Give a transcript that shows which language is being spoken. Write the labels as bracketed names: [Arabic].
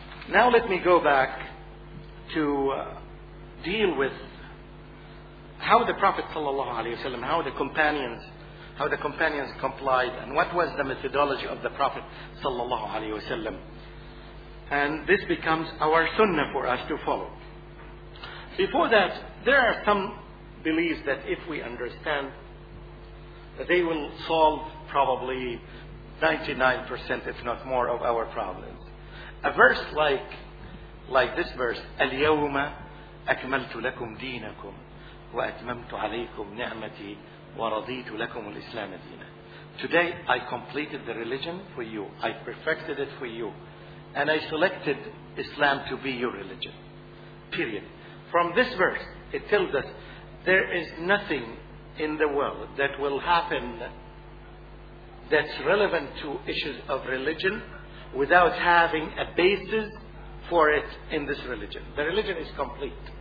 [English] Now let me go back to deal with how the Prophet sallallahu alaihi wasallam, how the companions complied, and what was the methodology of the Prophet sallallahu alaihi wasallam, and this becomes our sunnah for us to follow. Before that, there are some beliefs that if we understand, they will solve probably 99%, if not more, of our problems. A verse like this verse, [Arabic] الْيَوْمَ أَكْمَلْتُ لَكُمْ دِينَكُمْ وَأَتْمَمْتُ عَلَيْكُمْ نِعْمَتِي وَرَضِيتُ لَكُمْ الْإِسْلَامَ دِينَ. [English] Today I completed the religion for you. I perfected it for you. And I selected Islam to be your religion. Period. From this verse, it tells us there is nothing in the world that will happen that's relevant to issues of religion without having a basis for it in this religion. The religion is complete.